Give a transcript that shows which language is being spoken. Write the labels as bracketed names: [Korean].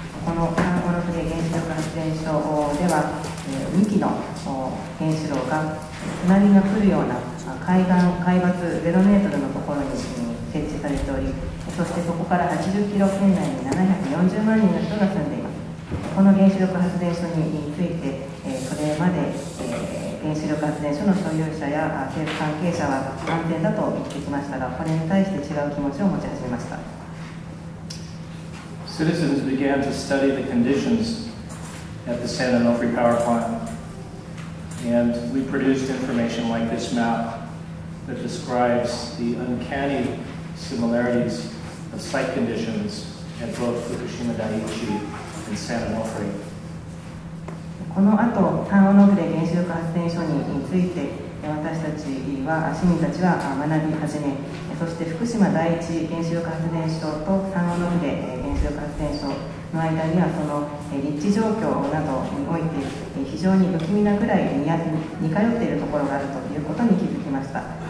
[Japanese] このサンオノフレ原子力発電所では、2基の原子炉が津波が来るような海岸海抜0メートルのところに設置されており、そしてそこから80キロ圏内に740万人の人が住んでいます。この原子力発電所についてそれまで、原子力発電所の所有者や政府関係者は安全だと言ってきましたが、これに対して違う気持ちを持ち始めました。 [English] Citizens began to study the conditions at the San Onofre power plant, and we produced information like this map that describes the uncanny similarities of site conditions at both Fukushima Daiichi and San Onofre. [Japanese] この後、サンオノフレ原子力発電所について私たちは、市民たちは学び始め、そして福島第一原子力発電所とサンオノフレ原子力発電所の間には、その立地状況などにおいて非常に不気味なくらい似通っているところがあるということに気づきました。